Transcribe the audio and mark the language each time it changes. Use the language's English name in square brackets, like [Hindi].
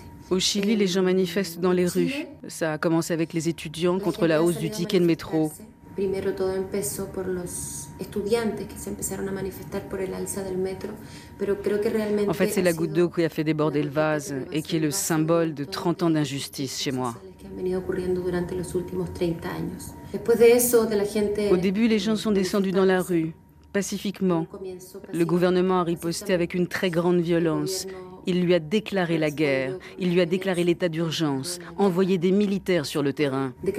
[French] Au Chili, les gens manifestent dans les rues. Ça a commencé avec les étudiants contre la hausse du ticket de métro. [Spanish] Primero todo empezó por los estudiantes que se empezaron a manifestar por el alza del metro, pero creo que realmente [French] en fait c'est la goutte d'eau qui a fait déborder le vase et qui est le symbole de 30 ans d'injustice chez moi. [Spanish] Después de eso de la gente [French] au début les gens sont descendus dans la rue pacifiquement. Le gouvernement a riposté avec une très grande violence. Il lui a déclaré la guerre, il lui a déclaré l'état d'urgence, envoyé des militaires sur le terrain.